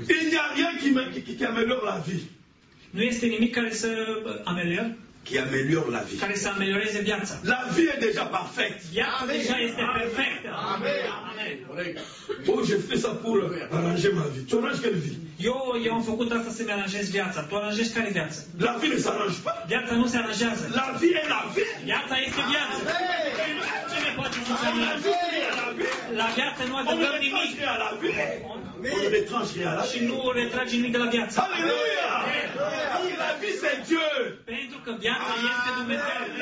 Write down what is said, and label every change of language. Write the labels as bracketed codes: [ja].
[fr] Il n'y a rien qui améliore la vie. [ro] Nu este nimic care să ameliore. [fr] Qui améliore la vie. [ro] Care să amelioreze viața. [fr] La vie est déjà parfaite. [ro] Viața deja este perfectă. Amen. Amen. [fr] Bon, je fais ça pour arranger ma vie. Tu arranges quelle vie? [ro] Eu am făcut asta să-mi aranjez viața. Tu aranjezi care viață? [fr] La vie ne s'arrange pas. [ro] Viața nu se aranjează. [fr] La vie est la vie. [ro] Viața este viața. Amen. Ce ne poate zice [fr] la vie? La vie la vie. [ro] La viață nu adăugă nimic. [fr] On ne retrage rien à la vie. On ne retrage rien à la vie. [ro] Și nu o retrage nimic de la viață. [fr] Alléluia. La vie c'est Dieu. [ro] Pentru că viața este Dumnezeu.